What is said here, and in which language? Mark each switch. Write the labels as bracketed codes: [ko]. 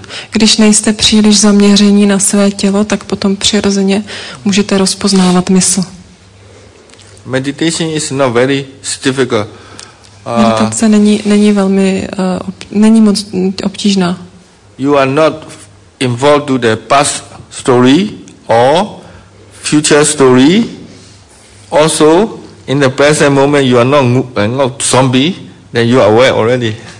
[cs] Když nejste příliš zaměření na své tělo, tak potom přirozeně můžete rozpoznávat mysl. [en] Meditation is not very difficult. [cs] Meditace není velmi není moc obtížná. [en] You are not involved to the past story or future story. Also, in the present moment, you are not zombie. Then you are aware already.